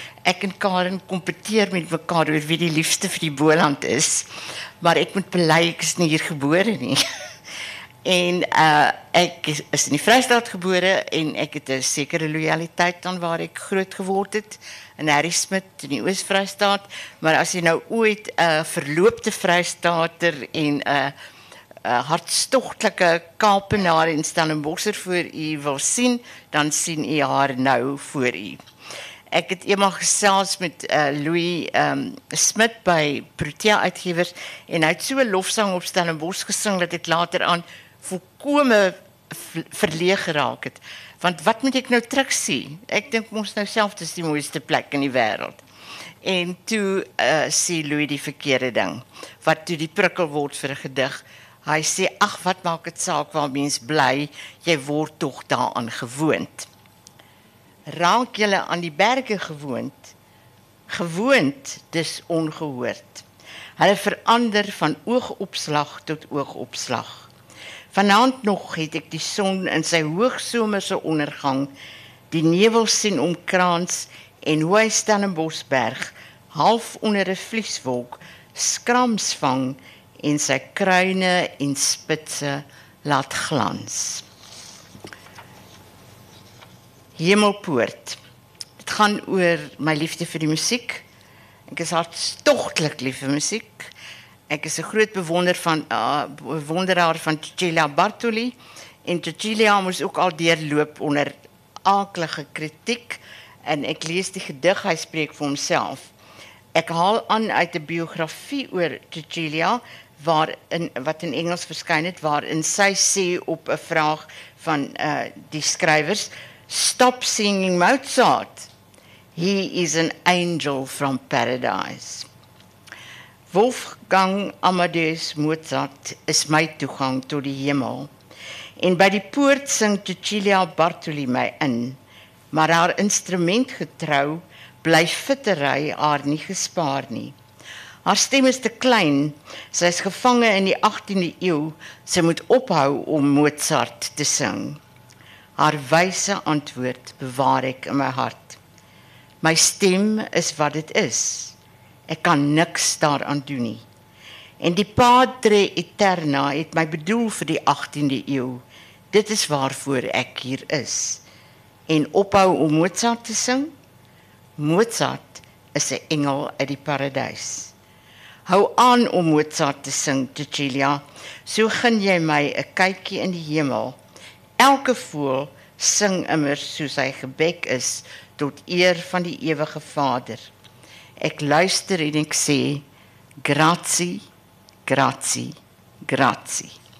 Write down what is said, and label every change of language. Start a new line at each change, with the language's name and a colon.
Afrikaans: Ek en Karen kompeteer met mekaar oor wie die liefste vir die Boland is. Maar ek moet bely, ek is nie hier gebore nie. En ek is in die Vrystaat gebore en ek het 'n sekere loyaliteit aan waar ek groot geword het. In Harrismith, in die Oos-Vrystaat. Maar as jy nou ooit verloopte Vrystater en hartstochtelike Kaapenaar en Stellenbosser voor u wil sien, dan sien u haar nou voor u. Ek het eenmaal gesels met Louis Smit by Protea Uitgevers en hy het so 'n lofsang op Stellenbosch gesing dat ek later aan volkome verleeg geraak het. Want wat moet ek nou terug sien? Ek dink ons nou self is die mooiste plek in die wêreld. En toe sien Louis die verkeerde ding, wat toe die prikkel word vir 'n gedig. Hy sê, ag, wat maak het saak waar mens bly, jy word toch daaraan gewoond. Raak julle aan die berge gewoond, gewoond dis ongehoord. Hulle verander van oogopslag tot oogopslag. Vanaand nog het ek die son in sy hoogsomerse ondergang, die nevel sien omkrans en hoe hy Stellenbosberg, half onder 'n vlieswolk, skrams vang en sy kruine en spitse laat glans. Hemelpoort. Dit gaan oor my liefde vir die muziek. Ek is hartstochtelik lief vir muziek. Ek is 'n groot bewonderaar van Cecilia Bartoli. En Cecilia moes ook al deurloop onder akelige kritiek. En ek lees die gedig, hy spreek vir homself. Ek haal aan uit die biografie oor Cecilia, wat in Engels verskyn het, waarin sy sê op 'n vraag van die skrywers,
English: stop singing Mozart. He is an angel from paradise.
Afrikaans: Wolfgang Amadeus Mozart is my toegang tot die hemel. En by die poort sing Cecilia Bartoli my in. Maar haar instrument getrou, bly fittery haar nie gespaar nie. Haar stem is te klein, sy is gevange in die 18de eeuw. Sy moet ophou om Mozart te sing. Haar wyse antwoord bewaar ek in my hart. My stem is wat dit is. Ek kan niks daaraan doen nie. En die Padre Eterna het my bedoel vir die 18de eeuw. Dit is waarvoor ek hier is. En ophou om Mozart te sing? Mozart is 'n engel uit die paradys. Hou aan om Mozart te sing, Cecilia. So gun jy my 'n kykie in die hemel. Elke voël sing immers soos hy gebek is tot eer van die ewige Vader. Ek luister en ek sê,
Italian: grazie, grazie, grazie.